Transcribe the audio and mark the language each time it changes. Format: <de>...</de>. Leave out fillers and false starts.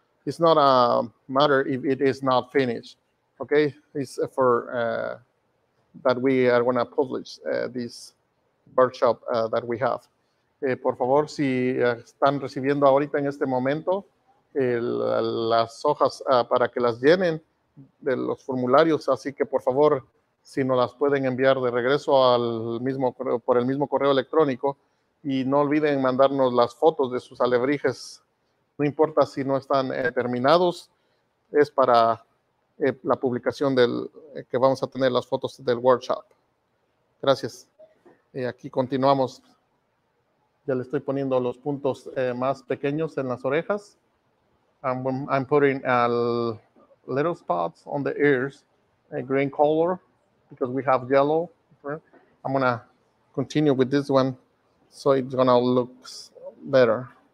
<en>It's not a matter if it is not finished. Okay, it's for that we are going to publish this workshop that we have.</en> <es>Por favor, si están recibiendo ahorita en este momento las hojas para que las llenen de los formularios, así que por favor, si nos las pueden enviar de regreso al mismo correo, por el mismo correo electrónico, y no olviden mandarnos las fotos de sus alebrijes, no importa si no están terminados, es para la publicación del que vamos a tener las fotos del workshop. Gracias. Aquí continuamos. Ya le estoy poniendo los puntos más pequeños en las orejas.</es> <en>I'm putting little spots on the ears, a green color, because we have yellow. I'm going to continue with this one, so it's going to look better.</en>